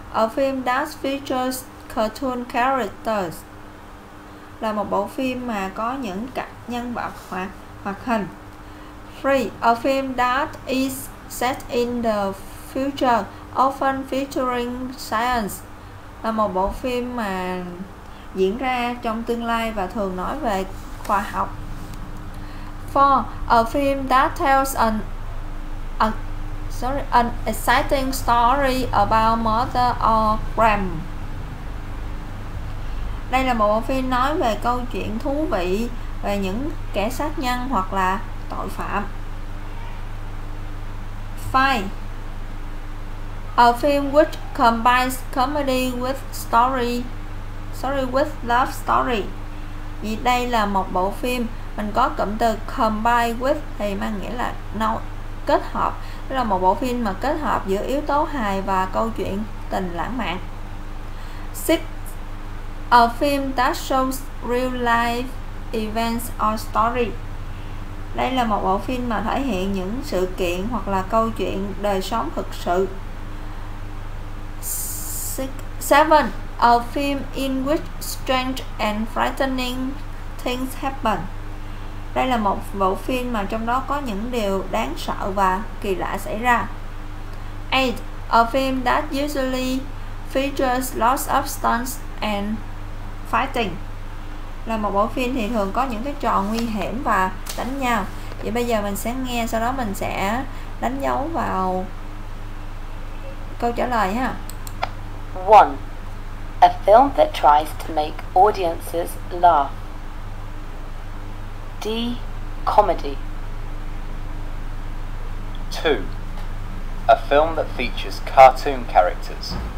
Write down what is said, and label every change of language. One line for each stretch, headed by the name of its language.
English: A film that features cartoon characters,
Vietnamese: là một bộ phim mà có những nhân vật hoạt hình. 3.
English: A film that is set in the future, often featuring science,
Vietnamese: là một bộ phim mà diễn ra trong tương lai và thường nói về khoa học. 4.
English: A film that tells an exciting story about mother or grand.
Vietnamese: Đây là một bộ phim nói về câu chuyện thú vị về những kẻ sát nhân hoặc là tội phạm.
English: Five. A film which combines comedy with story, with love story.
Vietnamese: Vì đây là một bộ phim mình có cụm từ combine with thì mang nghĩa là nối, kết hợp. Đây là một bộ phim mà kết hợp giữa yếu tố hài và câu chuyện tình lãng mạn.
English: Six. A film that shows real life events or story.
Vietnamese: Đây là một bộ phim mà thể hiện những sự kiện hoặc là câu chuyện đời sống thực sự. 7.
English: A film in which strange and frightening things happen.
Vietnamese: Đây là một bộ phim mà trong đó có những điều đáng sợ và kỳ lạ xảy ra. 8.
English: A film that usually features lots of stunts and fighting.
Vietnamese: Là một bộ phim thì thường có những cái trò nguy hiểm và đánh nhau. Vậy bây giờ mình sẽ nghe, sau đó mình sẽ đánh dấu vào câu trả lời ha. 1.
English: A film that tries to make audiences laugh. D. Comedy. 2. A film that features cartoon characters.